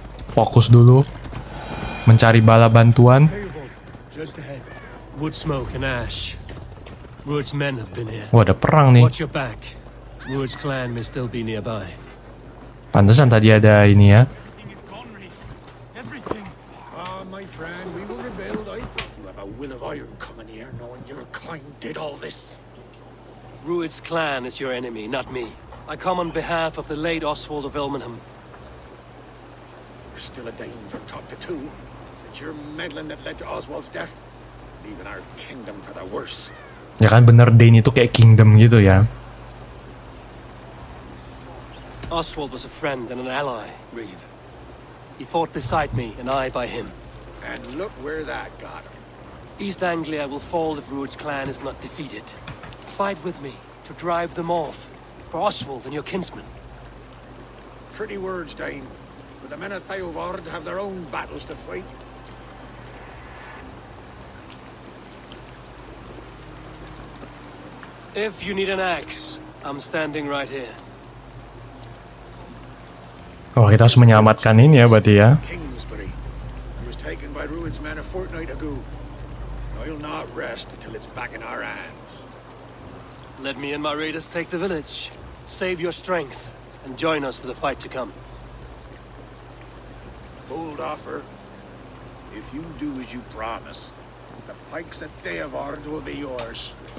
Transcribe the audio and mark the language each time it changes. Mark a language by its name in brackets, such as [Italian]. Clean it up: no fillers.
[Indonesian] Fokus dulu. Mencari bala bantuan. [English] Just ahead. Wood smoke and ash. Ruud's men have been here. [Indonesian] Wah, ada perang nih. [English] Watch your back. Ruud's clan may still be nearby. [Indonesian] Pantesan tadi ada ini ya. [English] Everything. Ah, my friend, we will rebuild. I thought you have a will of iron coming here, knowing your kind did all this. Ruud's clan is your enemy, not me. I come on behalf of the late Oswald of Ilmenham. You're still a Dane from top to toe. It's your meddling that led to Oswald's death. Leaving our kingdom for the worse. [Indonesian] Ya kan, bener, Dane itu kayak kingdom gitu ya. [English] Oswald was a friend and an ally, Reeve. He fought beside me and I by him. And look where that got him. East Anglia will fall if Ruud's clan is not defeated. Fight with me to drive them off for Oswald and your kinsmen. Pretty words, Dane. But the men of Theovard have their own battles to fight. If you need an axe, I'm standing right here. [Indonesian] Oh, kita harus menyelamatkan ini ya, berarti ya. [English] Kingsbury. It was taken by Ruud's men a fortnight ago. I'll not rest until it's back in our hands. Let me and my raiders take the village. Save your strength and join us for the fight to come. Bold offer. If you do as you promise, the pikes of Theovard will be yours.